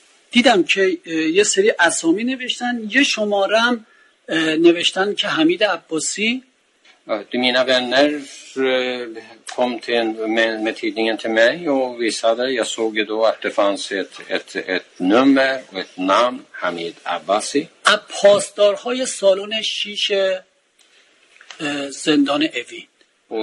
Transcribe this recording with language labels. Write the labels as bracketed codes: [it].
[fa] دیدم که یه سری اسامی نوشتن یه شماره هم نوشتن که حمید عباسی [sv] دمینا ورنر kom till med tidningen till mig och visade jag såg då att det fanns ett nummer och ett namn Hamid Abbasi [fa] پاسدارهای سالن شیش زندان اوین